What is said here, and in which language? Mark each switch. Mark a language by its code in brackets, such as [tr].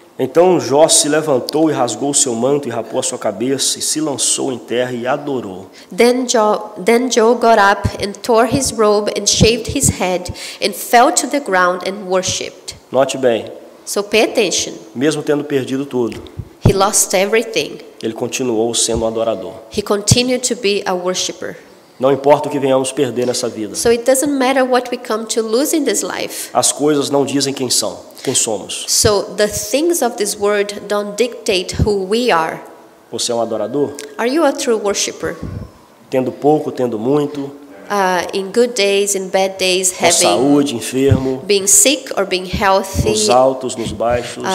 [pt] Então Jó se levantou e rasgou seu manto e rapou a sua cabeça e se lançou em terra e adorou. [en] Then Joe got up and tore his robe and shaved his head and fell to the ground and worshipped. [pt] Note bem. [en] So pay attention. [pt] Mesmo tendo perdido tudo. [en] He lost everything. [pt] Ele continuou sendo um adorador. [en] He continued to be a worshipper. [pt] Não importa o que venhamos perder nessa vida. [en] So it doesn't matter what we come to lose in this life. [pt] As coisas não dizem quem são, quem somos. [en] So the things of this world don't dictate who we are. [pt] Você é um adorador? [en] Are you a true worshipper? [pt] Tendo pouco, tendo muito. [en] In good days, in bad days, having [pt] saúde, enfermo, [en] being sick or being healthy, [pt] nos altos, nos baixos,